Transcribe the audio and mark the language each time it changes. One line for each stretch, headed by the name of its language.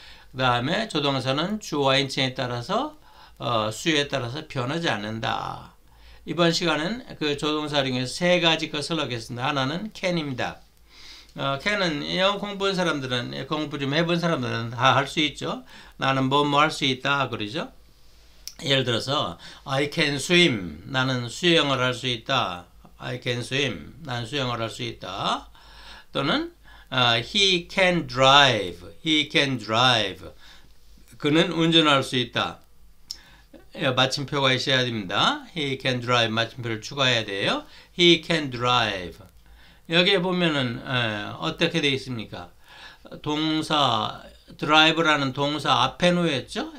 Korean: 그 다음에 조동사는 주와 인칭에 따라서 수에 따라서 변하지 않는다. 이번 시간은 그 조동사 중에 세 가지 것을 하겠습니다. 하나는 can입니다. can은 영어 공부한 사람들은 공부 좀 해본 사람들은 다 할 수 있죠. 나는 뭐뭐 할 수 있다 그러죠. 예를 들어서
English: I can swim.
Korean: 나는 수영을 할 수 있다.
English: I can swim.
Korean: 나는 수영을 할 수 있다. 또는
English: he can drive. He can drive.
Korean: 그는 운전할 수 있다. 마침표가 있어야 됩니다.
English: He can drive.
Korean: 마침표를 추가해야 돼요.
English: He can drive.
Korean: 여기에 보면은 어떻게 되어 있습니까? 동사 drive라는 동사 앞에 놓였죠.